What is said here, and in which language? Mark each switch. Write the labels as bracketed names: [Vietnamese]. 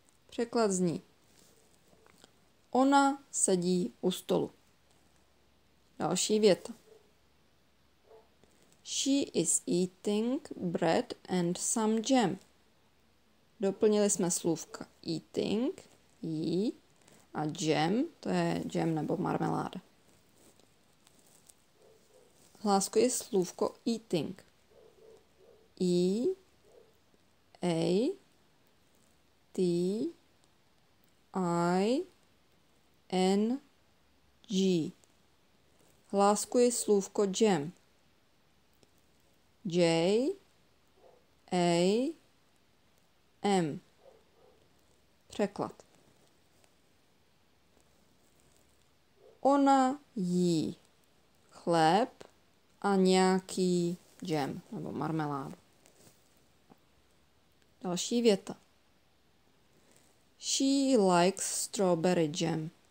[Czech] Překlad zní: ona sedí u stolu. Další věta. [English] She is eating bread and some jam. [Czech] Doplnili jsme slůvka eating, eat, a jam, to je jam nebo marmeláda. Hláskuje slůvko eating. E, A, T, I, N, G. Hláskuje slůvko jam. J, A, M. Překlad. Ona jí chléb a nějaký džem nebo marmeládu. Další věta. [English] She likes strawberry jam.